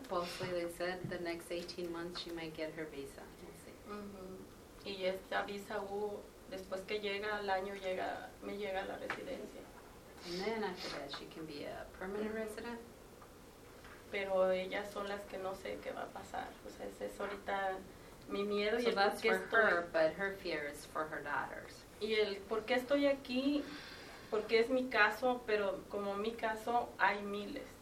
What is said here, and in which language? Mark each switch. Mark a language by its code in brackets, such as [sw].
[en] Supposedly they said the next 18 months she might get her visa. We'll see. [es] Mm-hmm. Y esta visa U, después que llega al año, me llega la residencia. [en] granted that she can be a permanent resident. [es] Pero ellas son las que no sé qué va a pasar. O sea, ese es ahorita mi miedo. [en] So that's for her, but her fear is for her daughters. [es] Y el por qué estoy aquí, porque es mi caso, pero como mi caso, hay miles.